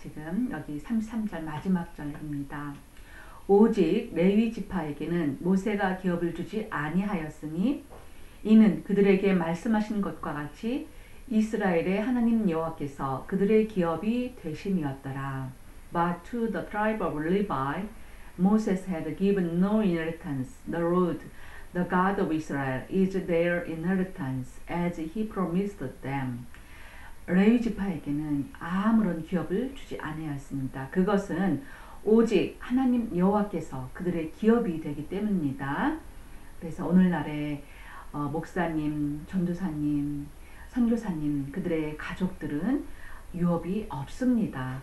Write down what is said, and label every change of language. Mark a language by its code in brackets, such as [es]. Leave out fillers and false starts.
[ko] 지금 여기 33절 마지막 절입니다. 오직 레위 지파에게는 모세가 기업을 주지 아니하였으니 이는 그들에게 말씀하신 것과 같이 이스라엘의 하나님 여호와께서 그들의 기업이 되심이었더라. [en] But to the tribe of Levi, Moses had given no inheritance. The Lord, the God of Israel, is their inheritance, as he promised them. [ko] 레위 지파에게는 아무런 기업을 주지 아니하였습니다. 그것은 오직 하나님 여호와께서 그들의 기업이 되기 때문입니다. 그래서 오늘날에 목사님, 전도사님, 선교사님, 그들의 가족들은 유업이 없습니다.